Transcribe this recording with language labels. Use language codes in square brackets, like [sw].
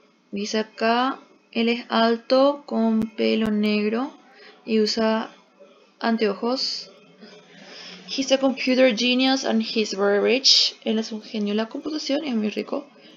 [es] Dice acá, él es alto, con pelo negro y usa anteojos. [en] He's a computer genius and he's very rich. [es] Él es un genio en la computación y es muy rico.